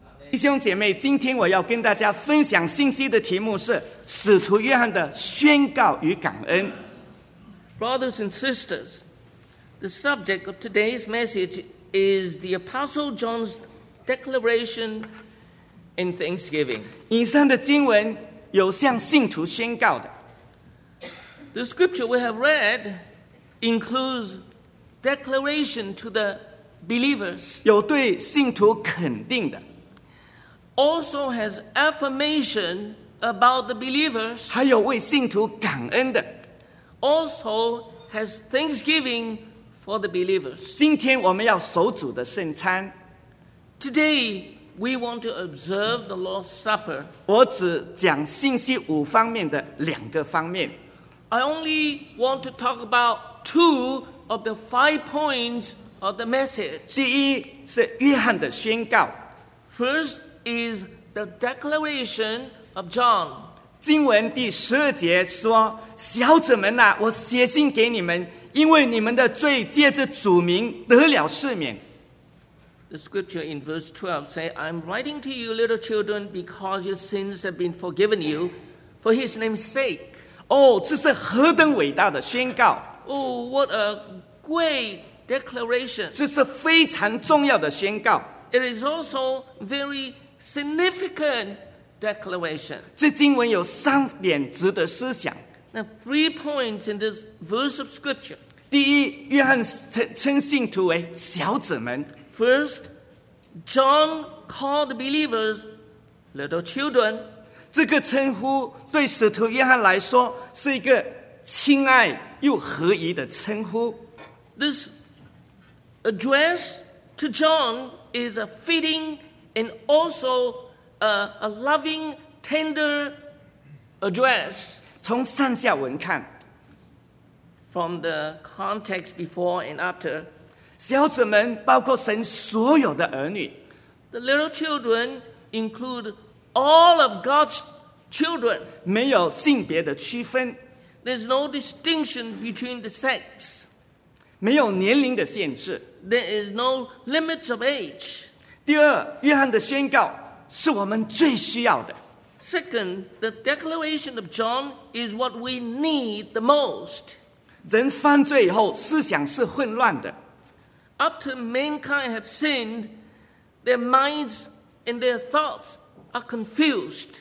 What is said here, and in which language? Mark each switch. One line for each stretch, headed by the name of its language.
Chinese: 弟兄姐妹，今天我要跟大家分享信息的题目是使徒约翰的宣告与感恩。
English: Brothers and sisters, the subject of today's message is the Apostle John's declaration in thanksgiving.
Chinese: 以上的经文有向信徒宣告的。
English: The scripture we have read includes declaration to the believers.
Chinese: 有对信徒肯定的。
English: Also has affirmation about the believers.
Chinese: 还有为信徒感恩的。
English: Also has thanksgiving for the believers.
Chinese: 今天我们要守主的圣餐。
English: Today we want to observe the Lord's Supper.
Chinese: 我只讲信息五方面的两个方面。
English: I only want to talk about two of the five points of the message.
Chinese: 第一是约翰的宣告。
English: First. Is the declaration of John.
Chinese: 经文第十二节说，小子们啊，我写信给你们，因为你们的罪借着主名得了赦免。
English: The scripture in verse 12 say, I'm writing to you little children because your sins have been forgiven you for his name's sake.
Chinese: 哦，这是何等伟大的宣告。
English: Oh, what a great declaration.
Chinese: 这是非常重要的宣告。
English: It is also very significant declaration.
Chinese: 这经文有三点值得思想。
English: Now, three points in this verse of scripture.
Chinese: 第一，约翰称信徒为小子们。
English: First, John called believers little children.
Chinese: 这个称呼对使徒约翰来说是一个亲爱又合宜的称呼。
English: This address to John is a fitting. And also a loving, tender address.
Chinese: 从上下文看
English: from the context before and after,
Chinese: 小子们包括神所有的儿女
English: the little children include all of God's children.
Chinese: 没有性别的区分
English: there's no distinction between the sex.
Chinese: 没有年龄的限制
English: there is no limits of age.
Chinese: 第二，约翰的宣告是我们最需要的。
English: Second, the declaration of John is what we need the most.
Chinese: 人犯罪以后，思想是混乱的。
English: After mankind have sinned, their minds and their thoughts are confused.